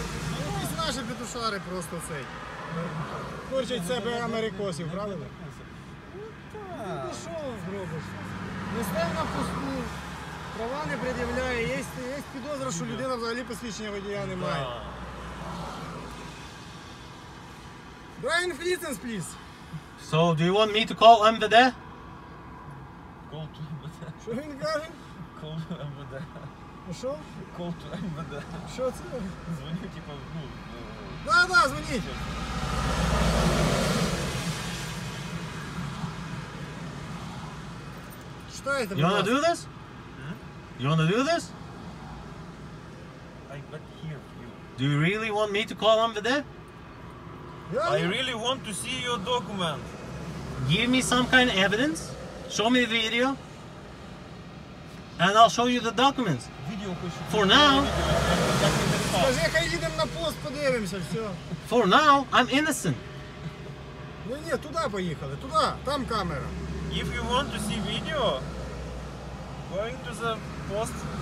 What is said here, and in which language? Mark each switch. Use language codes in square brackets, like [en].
[uk] Ну, ось наші петушари просто цей. Корчать себе америкосів, правильно? Ну, так. Ну, що зробиш? Не став на пусту. Права не пред'являє. Є підозра, що людина взагалі посвідчення водія не має. [en] Brian Fleetens, please. So, do you want me to call МВД? Call to МВД. [uk] Що він каже? [en] Call to МВД. [uk] Ну що? [en] Call to МВД. [uk] Що це? Дзвоню, типа, ну... Да-да, дзвоніть. Що це? [en] You wanna do this? You wanna do this? I got here for you. Do you really want me to call МВД? I really want to see your document. Give me some kind of evidence. Show me the video. And I'll show you the documents. Video for now. [uk] Скажи, хай їдем на пост, подивимося, все. [en] For now, I'm innocent. [uk] Ну ні, туди поїхали, туди, там камера. [en] If you want to see video, going to the post.